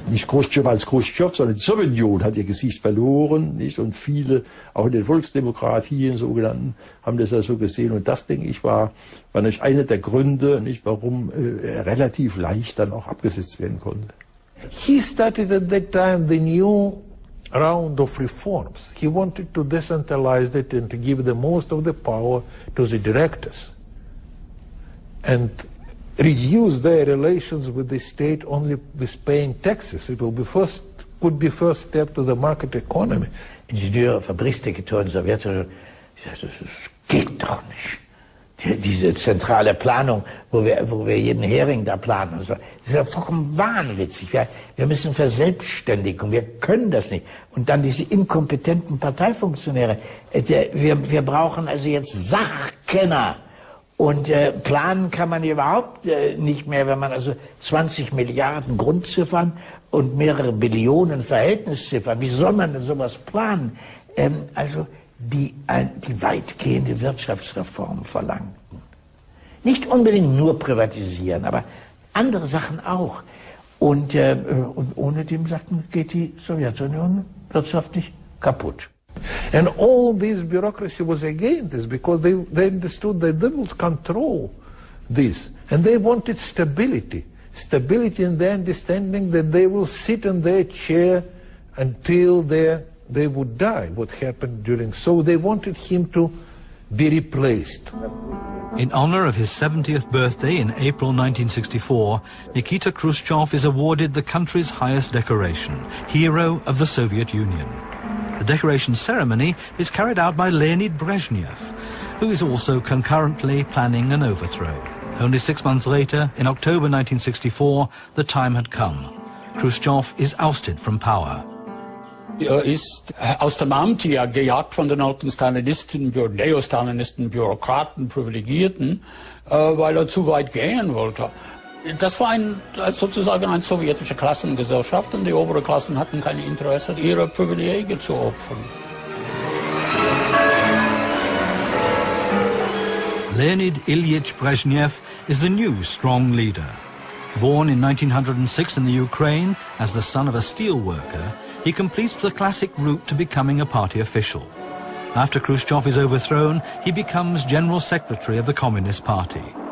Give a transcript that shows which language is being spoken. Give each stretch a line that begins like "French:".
German: Nicht Khrushchev als Khrushchev, sondern die Sowjetunion hat ihr Gesicht verloren. Nicht? Und viele, auch in den Volksdemokratien, sogenannten, haben das ja so gesehen. Und das, denke ich, war nicht einer der Gründe, nicht, warum er relativ leicht dann auch abgesetzt werden konnte.
English: He started at that time the new round of reforms. He wanted to decentralize it and to give the most of the power to the directors. And reduce their relations with the state only with paying taxes. It will be first, could be first step to the market economy.
German: Ingenieur verbristigte in Sowjetunion, das geht doch nicht. Diese zentrale Planung, wo wir jeden Hering da planen, so, das ist ja vollkommen wahnwitzig. Wir müssen verselbstständigen, wir können das nicht. Und dann diese inkompetenten Parteifunktionäre. Wir brauchen also jetzt Sachkenner. Und planen kann man überhaupt nicht mehr, wenn man also 20 Milliarden Grundziffern und mehrere Billionen Verhältnisziffern, wie soll man denn sowas planen? Also die weitgehende Wirtschaftsreform verlangten. Nicht unbedingt nur privatisieren, aber andere Sachen auch. Und ohne dem sagten, geht die Sowjetunion wirtschaftlich kaputt.
English: And all this bureaucracy was against this because they understood that they would control this. And they wanted stability. Stability in their understanding that they will sit in their chair until they would die, what happened during. So they wanted him to be replaced. In honor of his 70th birthday in April 1964, Nikita Khrushchev is awarded the country's highest decoration, Hero of the Soviet Union. The decoration ceremony is carried out by Leonid Brezhnev, who is also concurrently planning an overthrow. Only 6 months later, in October 1964, the time had come. Khrushchev is ousted from power.
German: Er ist aus dem Amt hier gejagt von den alten Stalinisten, Neostalinisten, Bürokraten, Privilegierten, weil er zu weit gehen wollte. Das war ein, sozusagen eine sowjetische Klassengesellschaft und die oberen Klassen hatten kein Interesse, ihre Privilegien zu opfern.
English: Leonid Ilyich Brezhnev is the new strong leader. Born in 1906 in the Ukraine as the son of a steel worker, he completes the classic route to becoming a party official. After Khrushchev is overthrown, he becomes general secretary of the Communist Party.